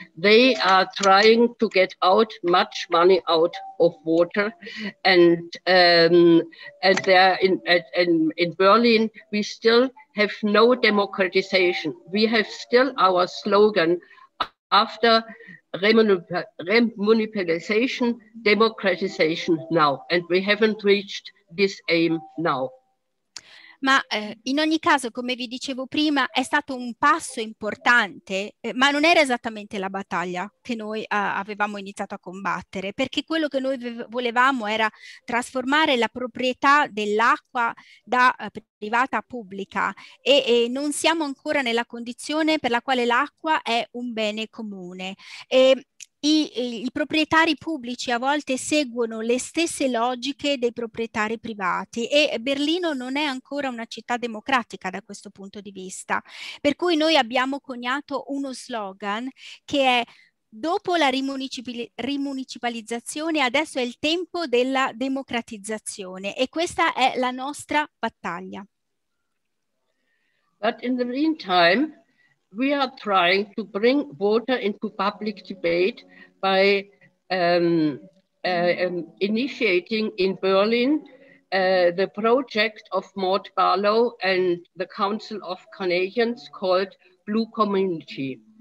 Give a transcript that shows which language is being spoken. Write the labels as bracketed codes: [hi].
[en] They are trying to get out much money out of water, and there in Berlin we still have no democratization. We have still our slogan: after remunicipalization, democratization now, and we haven't reached this aim now. [it] Ma in ogni caso, come vi dicevo prima, è stato un passo importante, ma non era esattamente la battaglia che noi avevamo iniziato a combattere, perché quello che noi volevamo era trasformare la proprietà dell'acqua da privata a pubblica, e non siamo ancora nella condizione per la quale l'acqua è un bene comune. I proprietari pubblici a volte seguono le stesse logiche dei proprietari privati, e Berlino non è ancora una città democratica da questo punto di vista. Per cui noi abbiamo coniato uno slogan che è: dopo la rimunicipalizzazione, adesso è il tempo della democratizzazione, e questa è la nostra battaglia. [en] But in the meantime, we are trying to bring water into public debate by initiating in Berlin the project of Maud Barlow and the Council of Canadians called Blue Community.